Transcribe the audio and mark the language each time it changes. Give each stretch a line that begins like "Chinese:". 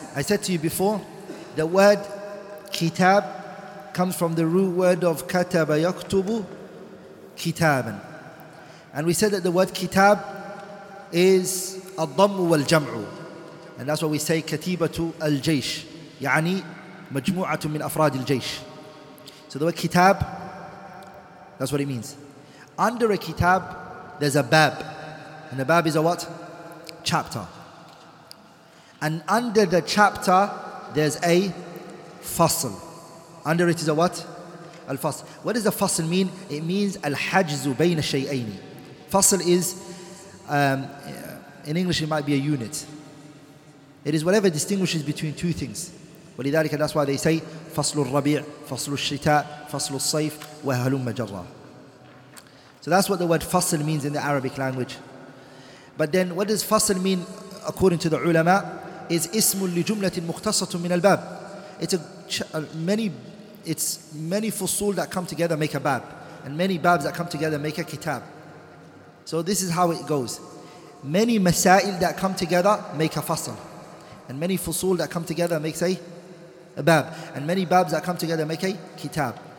English: I said to you before, the word kitab comes from the root word of
Arabic: كتب يكتب كتابا.
English: And we said that the word kitab is
Arabic: الضم والجمع.
English: And that's why we say
Arabic: كتيبة الجيش. يعني مجموعة من أفراد الجيش.
English: So the word kitab, that's what it means. Under a kitab, there's a bab. And the bab is a what? Chapter. And under the chapter, there's a fasl. Under it is a what? Al-fasl. What does a fasl mean? It means
Arabic: al-hajzu bayna shay'ayni.
English: Fasl is, in English it might be a unit. It is whatever distinguishes between two things.
Arabic: ولذلك
English: that's why they say
Arabic: فصل الربيع فصل الشتاء فصل الصيف وهلم جرا.
English: So that's what the word فصل means in the Arabic language. But then what does فصل mean according to the ulama?
Arabic: Is اسم لجملة مختصة من الباب.
English: It's many فصول that come together make a bab, and many babs that come together make a kitab. So this is how it goes. Many مسائل that come together make a فصل, and many فصول that come together make say a bab, and many babs that come together make a kitab.